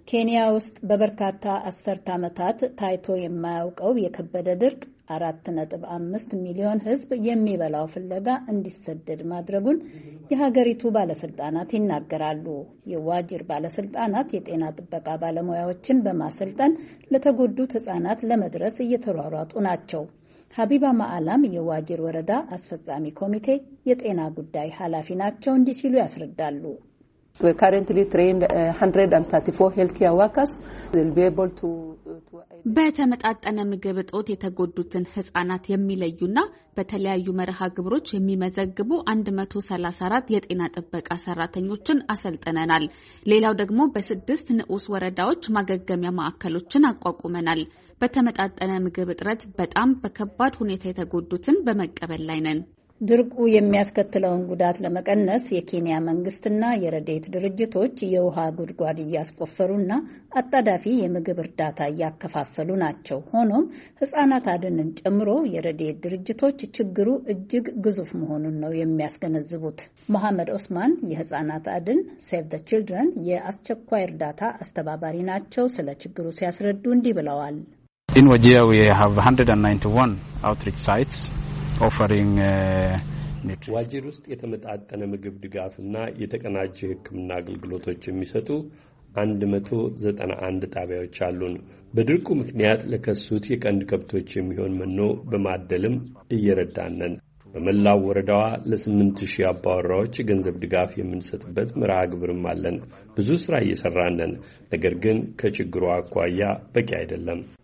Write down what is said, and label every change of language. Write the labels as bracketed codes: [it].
[am] ኬንያ ውስጥ በበርካታ 10 አመታት ታይቶ የማያውቀው የከበደ ድርቅ 4.5 ሚሊዮን ህዝብ የሚበላው ፍለጋ እንዲሰደድ ማድረጉን የሀገሪቱ ባለስልጣናት ይናገራሉ። የዋጅር ባለስልጣናት የጤና ጥበቃ ባለሙያዎችን በማሰልጠን ለተጎዱት ህጻናት ለመድረስ እየተሯሯጡ ናቸው። ሀቢባ ማዓላም የዋጅር ወረዳ አስፈጻሚ ኮሚቴ የጤና ጉዳይ ኃላፊ ናቸው። እንዲህ ሲሉ ያስረዳሉ። [en] We currently trained 134 healthcare workers. They'll be able to [am] በተመጣጠነ ምግብ እጦት የተጎዱትን ህጻናት የሚለዩና በተለያዩ መርሃ ግብሮች የሚመዘግቡ 134 የጤና ጥበቃ ሰራተኞችን አሰልጥነናል። ሌላው ደግሞ በ6 ንዑስ ወረዳዎች ማገገሚያ ማዕከሎችን አቋቁመናል። በተመጣጠነ ምግብ እጥረት በጣም በከባድ ሁኔታ የተጎዱትን በመቀበል ላይ ነን። ድርቁ የሚያስከትለውን ጉዳት ለመቀነስ የኬንያ መንግስትና የረድኤት ድርጅቶች የውሃ ጉድጓድ እያስቆፈሩና አጣዳፊ የምግብ እርዳታ እያከፋፈሉ ናቸው። ሆኖም ህጻናት አድንን ጨምሮ የረድኤት ድርጅቶች ችግሩ እጅግ ግዙፍ መሆኑን ነው የሚያስገነዝቡት። መሐመድ ኡስማን የህጻናት አድን ሴቭ ዘ ቺልድረን የአስቸኳይ እርዳታ አስተባባሪ ናቸው። ስለ ችግሩ ሲያስረዱ እንዲህ ብለዋል። [en] In Wajir we have 191 outreach sites offering nutrition. [am] ዋጅር ውስጥ የተመጣጠነ ምግብ ድጋፍና የተቀናጀ ህክምና አገልግሎቶች የሚሰጡ 191 ጣቢያዎች አሉን። በድርቁ ምክንያት ለከሱት የቀንድ ከብቶች የሚሆን መኖ በማደልም እየረዳነን። በመላው ወረዳዋ ለ8000 አባወራዎች ገንዘብ ድጋፍ የምንሰጥበት ምራ ግብርም አለን። ብዙ ስራ እየሰራነን፣ ነገር ግን ከችግሩ አኳያ በቂ አይደለም።